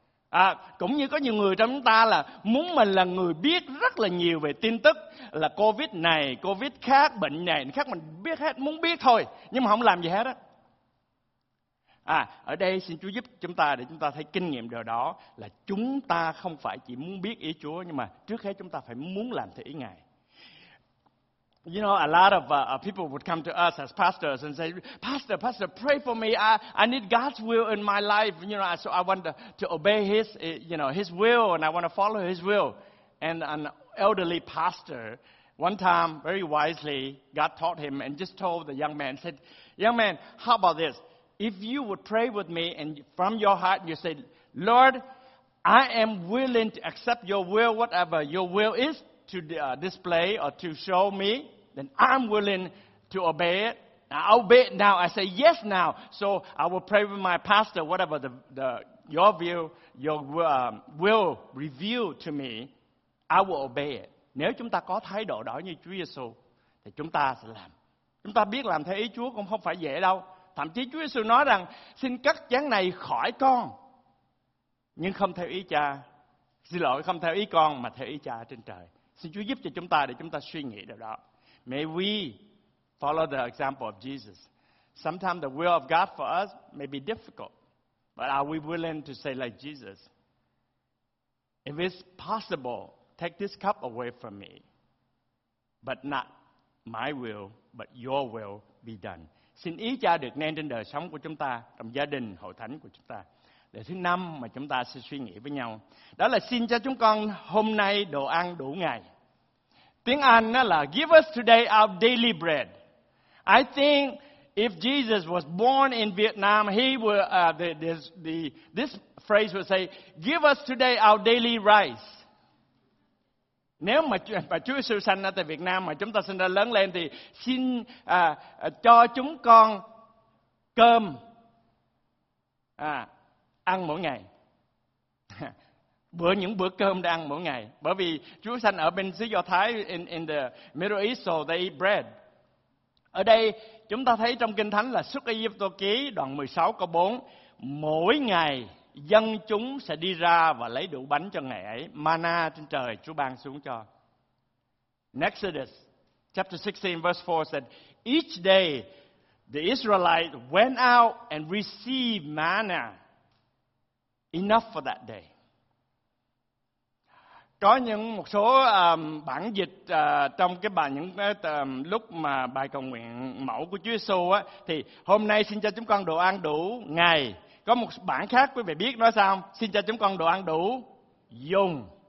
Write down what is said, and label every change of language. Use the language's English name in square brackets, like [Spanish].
[Vietnamese] À, cũng như có nhiều người trong chúng ta là muốn mình là người biết rất là nhiều về tin tức là COVID này, COVID khác, bệnh này, khác, mình biết hết, muốn biết thôi, nhưng mà không làm gì hết á. À, ở đây xin Chúa giúp chúng ta để chúng ta thấy kinh nghiệm điều đó là chúng ta không phải chỉ muốn biết ý Chúa, nhưng mà trước hết chúng ta phải muốn làm theo ý Ngài. [English] You know, a lot of people would come to us as pastors and say, Pastor, pray for me. I need God's will in my life. You know, so I want to obey His will, and I want to follow His will. And an elderly pastor, one time, very wisely, God taught him and just told the young man, said, young man, how about this? If you would pray with me and from your heart you say, Lord, I am willing to accept your will, whatever your will is, to display or to show me, then I'm willing to obey it. I obey it now. I say yes now. So I will pray with my pastor, whatever the your view, your will reveal to me, I will obey it. [Vietnamese] Nếu chúng ta có thái độ đó như Chúa Giêsu, thì chúng ta sẽ làm. Chúng ta biết làm theo ý Chúa cũng không phải dễ đâu. Thậm chí Chúa Giêsu nói rằng, xin cất chén này khỏi con, nhưng không theo ý cha. Xin lỗi, không theo ý con, mà theo ý cha trên trời. Xin Chúa giúp cho chúng ta để chúng ta suy nghĩ điều đó. [English] May we follow the example of Jesus. Sometimes the will of God for us may be difficult. But are we willing to say like Jesus? If it's possible, take this cup away from me. But not my will, but your will be done. [Vietnamese] Xin ý cha được nên trên đời sống của chúng ta, trong gia đình, hội thánh của chúng ta. Để thứ năm mà chúng ta sẽ suy nghĩ với nhau, đó là xin cho chúng con hôm nay đồ ăn đủ ngày. Tiếng Anh nó là [English] give us today our daily bread. I think if Jesus was born in Vietnam, he would this phrase would say give us today our daily rice. [Vietnamese] Nếu mà Chúa Giêsu sanh ở tại Việt Nam mà chúng ta sinh ra lớn lên thì xin cho chúng con cơm ăn mỗi ngày. Bữa những bữa cơm để ăn mỗi ngày. Bởi vì Chúa sanh ở bên xứ Do Thái, [English] in the Middle East, so they eat bread. [Vietnamese] Ở đây chúng ta thấy trong Kinh Thánh là Xuất Ai Cập Ký đoạn 16 câu 4, mỗi ngày dân chúng sẽ đi ra và lấy đủ bánh cho ngày ấy, mana trên trời Chúa ban xuống cho. [English] Exodus chapter 16 verse 4 said, each day the Israelites went out and received manna. Enough for that day. [Vietnamese] Có những một số bản dịch trong cái bài những lúc mà bài cầu nguyện mẫu của Chúa Giêsu á, thì hôm nay xin cho chúng con đồ ăn đủ ngày. Có một bản khác quý vị biết nói sao? Xin cho chúng con đồ ăn đủ dùng.